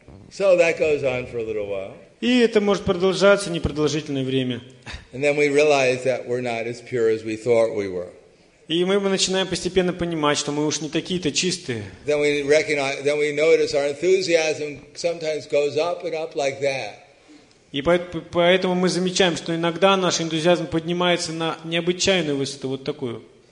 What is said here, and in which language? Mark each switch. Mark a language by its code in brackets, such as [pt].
[en] So that goes on for a little while. [ru] И это может продолжаться непродолжительное время. [en] And then we realize that we're not as pure as we thought we were. [ru] И мы начинаем постепенно понимать, что мы уж не такие-то чистые. [en] Then we recognize, then we notice our enthusiasm sometimes goes up and up like that. [ru] И поэтому мы замечаем, что иногда наш энтузиазм поднимается на необычайную высоту, вот такую.